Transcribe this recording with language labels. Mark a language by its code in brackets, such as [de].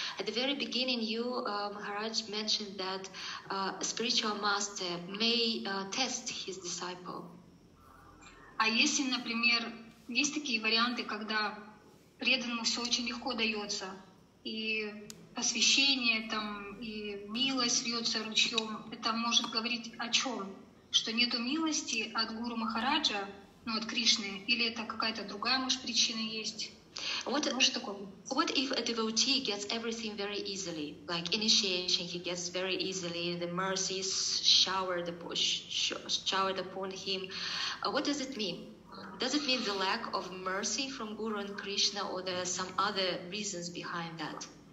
[en] At the very beginning, you, Maharaj, mentioned that a spiritual master may test his disciple. [ru] А если, например, есть такие варианты, когда преданному все очень легко дается, и посвящение, там, и милость льется ручьем, это может говорить о чем? Что нету милости от Гуру Махараджа, ну, от Кришны, или это какая-то другая, может, причина есть? Может, такое? [en] What if a devotee gets everything very easily, like initiation, he gets very easily, the mercies showered upon him. What does it mean? Does it mean the lack of mercy from Guru and Krishna, or there are some other reasons behind that?